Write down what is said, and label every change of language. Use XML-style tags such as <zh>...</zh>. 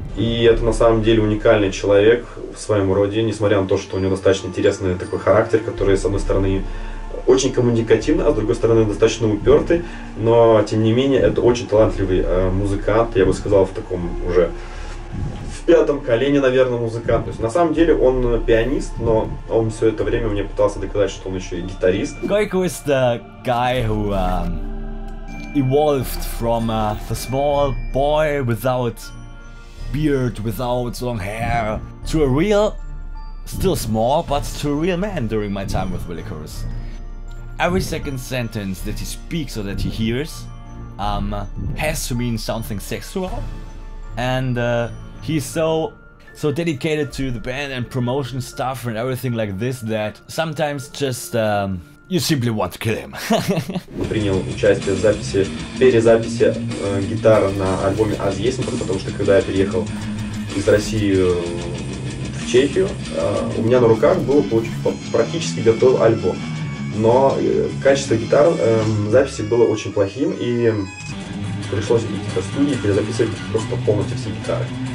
<ru>И это на самом деле уникальный человек в своем роде, несмотря на то, что у него достаточно интересный такой характер, который, с одной стороны, очень коммуникативный, а с другой стороны, достаточно упертый. Но, тем не менее, это очень талантливый музыкант, я бы сказал, в таком уже в пятом колене, наверное, музыкант. То есть, на самом деле, он пианист, но он все это время мне пытался доказать, что он еще и гитарист.</ru> <en>Гойко is the guy who evolved from a small boy without beard, without long hair, to a real, still small, but to a real man during my time with Welicoruss. Every second sentence that he speaks or that he hears has to mean something sexual, and he's so dedicated to the band and promotion stuff and everything like this that sometimes just you simply want to kill him.</en> <ru>Мы принял участие в записи, перезаписи гитары на альбоме «Аз есть», потому что когда я переехал из России в Чехию, у меня на руках был практически готов альбом. Но качество гитар записи было очень плохим, и пришлось идти по студии перезаписывать просто полностью все гитары.</ru>